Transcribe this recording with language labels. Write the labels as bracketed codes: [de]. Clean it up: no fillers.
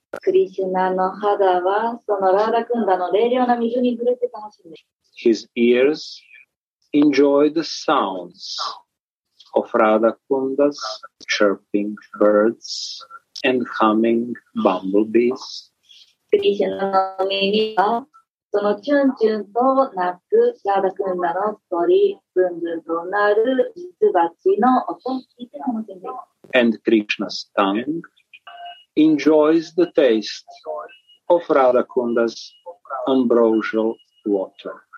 [ja] Krishna の肌はそのラーダクンダの冷涼な水に触れて楽しんでいる。 [en] His ears enjoy the sounds of Radha Kunda's chirping birds and humming bumblebees. [ja] Krishna の耳はそのチュンチュンと鳴くラーダクンダの鳥、ブンブンと鳴るミツバチの音を聞いて楽しんでいる。 [en] And Krishna's tongue enjoys the taste of Radha Kunda's ambrosial water.